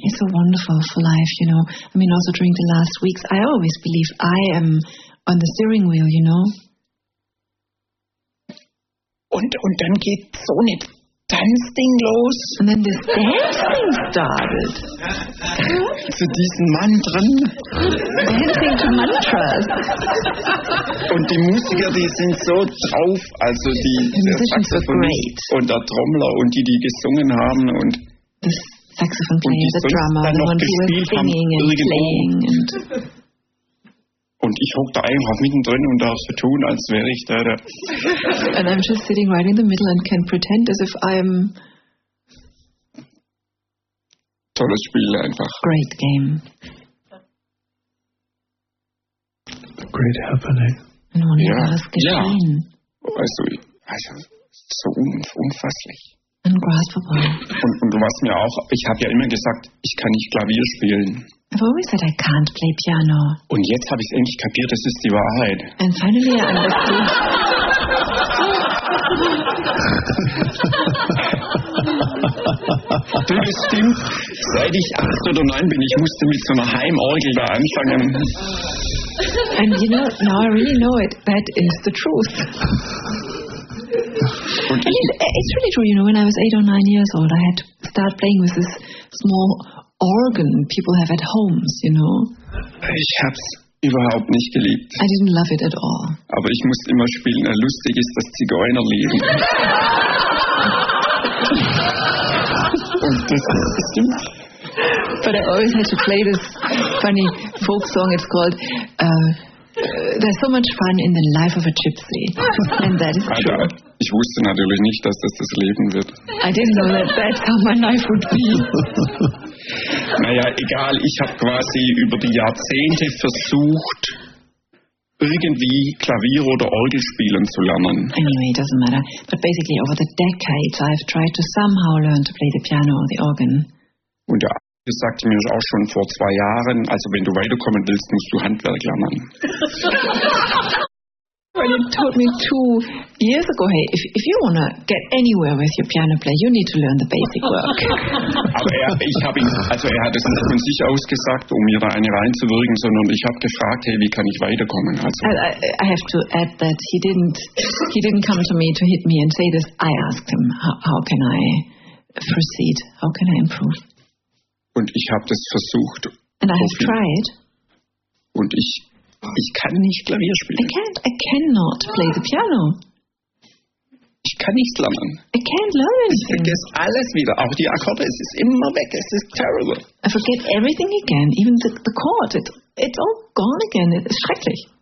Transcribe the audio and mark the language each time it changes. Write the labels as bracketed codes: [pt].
[en] It's so wonderful for life, you know. I mean, also during the last weeks, I always believe I am on the steering wheel, you know. [de] und dann geht so eine Tanzding los. [en] And then this dancing started. [de] Zu diesen Mantren. [en] Dancing to mantras. [de] Und die Musiker, die sind so drauf, also die Saxophonist und der Trommler und die, die gesungen haben und [en] the saxophone player, the drummer, the one who was singing and playing. [de] Und ich hocke da einfach mittendrin und darf so tun, als wäre ich da. [en] And I'm just sitting right in the middle and can pretend as if I'm... [de] Tolles Spiel einfach. [en] Great game. Great happening. [de] Ein wunderbares Geschehen. Ja. Also so unfasslich. Unfassbar. Und du warst mir auch, ich habe ja immer gesagt, ich kann nicht Klavier spielen. [en] I've always said I can't play piano. [de] Und jetzt habe ich es endlich kapiert, das ist die Wahrheit. [en] And finally I understood. [de] Du, das stimmt. Seit ich 8 oder 9 bin, ich musste mit so einer Heimorgel da anfangen. [en] And you know, now I really know it. That is the truth. [de] Und [en] I mean, it's really true, you know, when I was 8 or 9 years old, I had to start playing with this small organ people have at homes, you know. [de] Ich hab's überhaupt nicht geliebt. [en] I didn't love it at all. [de] Aber ich musste immer spielen. Lustig ist das Zigeunerleben. Und das stimmt. [en] But I always had to play this funny folk song. It's called There's so much fun in the life of a gypsy. And that is true. [de] Ich wusste natürlich nicht, dass das das Leben wird. [en] I didn't know that that's how my life would be. [de] Naja, egal, ich habe quasi über die Jahrzehnte versucht, irgendwie Klavier oder Orgel spielen zu lernen. [en] Anyway, it doesn't matter. But basically over the decades I've tried to somehow learn to play the piano or the organ. [de] Und ja, das sagte mir auch schon vor 2 Jahren, also wenn du weiterkommen willst, musst du Handwerk lernen. [en] When you told me 2 years ago, hey, if you want to get anywhere with your piano player, you need to learn the basic work. [de] Aber er hat es nicht von sich aus gesagt, um mir da eine reinzuwirken, sondern ich habe gefragt, hey, wie kann ich weiterkommen? Also, [en] I have to add that he didn't come to me to hit me and say this. I asked him, how can I proceed? How can I improve? [de] Und ich habe das versucht. [en] And I have tried. [de] Und ich kann nicht Klavier spielen. [en] I cannot play the piano. [de] Ich kann nichts lernen. [en] I can't learn anything. [de] Ich vergesse alles wieder, auch die Akkorde, es ist immer weg, es ist [en] terrible. I forget everything again, even the chord, it's all gone again, it's [de] schrecklich.